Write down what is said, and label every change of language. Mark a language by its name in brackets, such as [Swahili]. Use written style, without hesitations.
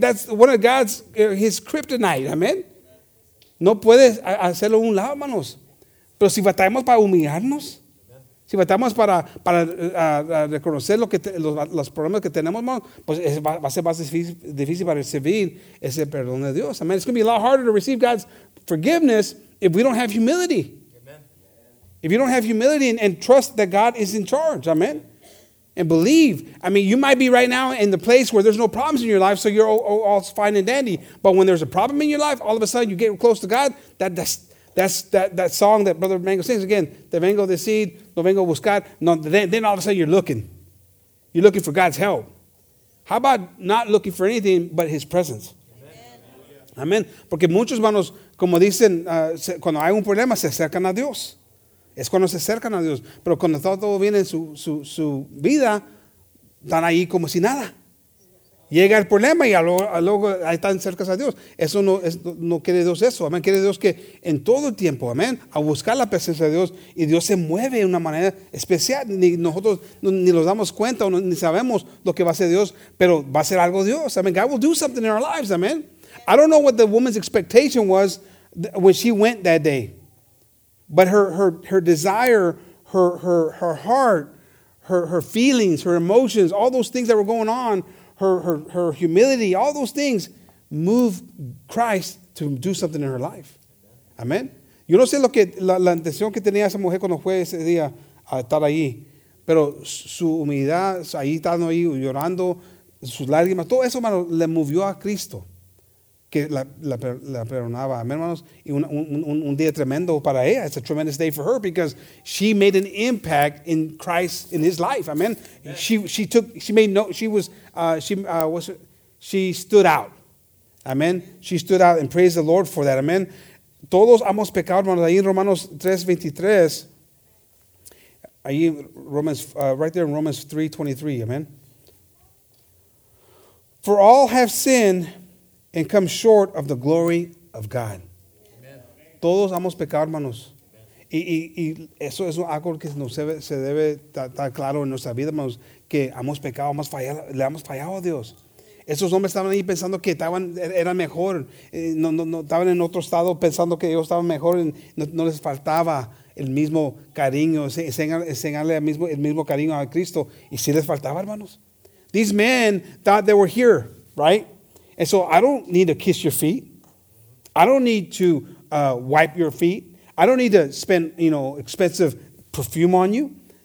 [English] That's one of God's, his kryptonite. [Spanish] Amén. No puedes hacerlo a un lado, hermanos. Pero si batallamos para humillarnos, si batallamos para reconocer los problemas que tenemos, hermanos, pues va a ser más difícil para recibir ese perdón de Dios. Amen. [English] It's going to be a lot harder to receive God's forgiveness if we don't have humility. Amen. If you don't have humility and trust that God is in charge. Amen. And believe. I mean, you might be right now in the place where there's no problems in your life, so you're all fine and dandy. But when there's a problem in your life, all of a sudden you get close to God. That song that Brother Mango sings again, [Spanish] te vengo de seed, no vengo buscar. [English] No, then all of a sudden you're looking. You're looking for God's help. How about not looking for anything but his presence? Amen. [Spanish] Porque muchos manos, como dicen, cuando hay un problema, se acercan a Dios. Es cuando se acercan a Dios. Pero cuando todo viene en su vida, están ahí como si nada. llega el problema y luego ahí están cerca a Dios. Eso no, es, no quiere Dios eso. Amén. Quiere Dios que en todo el tiempo, amén, a buscar la presencia de Dios, y Dios se mueve de una manera especial. Ni nosotros ni nos damos cuenta o ni sabemos lo que va a hacer Dios, pero va a hacer algo Dios. [English] Amén. God will do something in our lives. Amén. I don't know what the woman's expectation was when she went that day, but her desire, her heart, her feelings, her emotions, all those things that were going on, her humility, all those things moved Christ to do something in her life. Amen. [Spanish] Yo no sé lo que la intención que tenía esa mujer cuando fue ese día a estar ahí, pero su humildad, ahí estando ahí llorando, sus lágrimas, todo eso, hermano, le movió a Cristo. Que la perdonaba, amén, hermanos. Y un día tremendo para ella. [English] It's a tremendous day for her because she made an impact in Christ, in His life, amen. She stood out, amen. She stood out and praised the Lord for that, amen. [Spanish] Todos hemos pecado, hermanos. Ahí en Romanos 3:23, ahí [English] Romans, right there in Romans 3:23, amen. For all have sinned and come short of the glory of God. [Spanish] Amen. Todos hemos pecado, hermanos. Y eso es algo que se debe estar claro en nuestra vida, hermanos, que hemos pecado, le hemos fallado a Dios. Esos hombres estaban ahí pensando que estaban, era mejor. No, estaban en otro estado pensando que ellos estaban mejor. No les faltaba el mismo cariño, enseñarle el mismo cariño a Cristo. Y sí les faltaba, hermanos. [English] These men thought they were here, right? And so I don't need to kiss your feet. I don't need to wipe your feet. I don't need to spend, you know, expensive perfume on you.